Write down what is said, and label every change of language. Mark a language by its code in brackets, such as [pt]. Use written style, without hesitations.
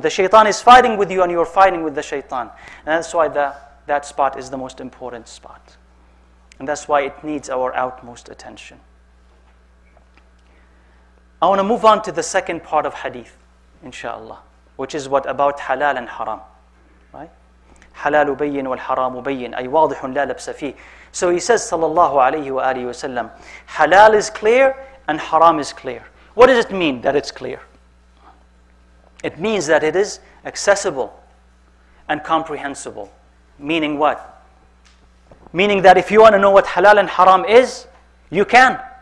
[en] The shaitan is fighting with you and you're fighting with the shaitan. And that's why that spot is the most important spot. And that's why it needs our utmost attention. I want to move on to the second part of hadith, inshallah, which is what about halal and haram. [ar] حلال بين والحرام بين أي واضح لا لبس فيه. [en] So he says sallallahu alayhi wa alihi wa sallam, halal is clear and haram is clear. What does it mean that it's clear? It means that it is accessible and comprehensible. Meaning what? Meaning that if you want to know what halal and haram is, you can.